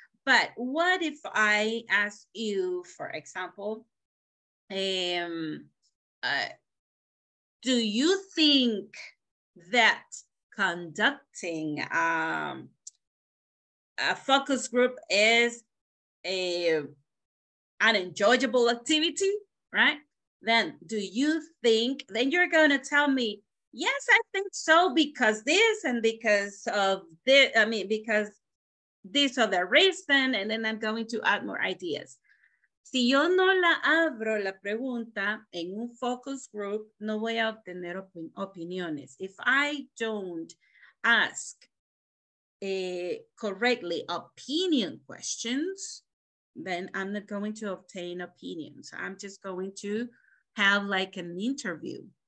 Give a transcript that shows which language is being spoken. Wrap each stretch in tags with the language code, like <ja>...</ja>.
<en>But what if I ask you, for example, do you think that conducting a focus group is an enjoyable activity, right? Then do you think, then you're gonna tell me, yes, I think so, because this and because of this, I mean, because this other reason, and then I'm going to add more ideas.</en> <es>Si yo no la abro la pregunta en un focus group, no voy a obtener opiniones.</es> <en>If I don't ask correctly opinion questions, then I'm not going to obtain opinions. I'm just going to have like an interview.</en>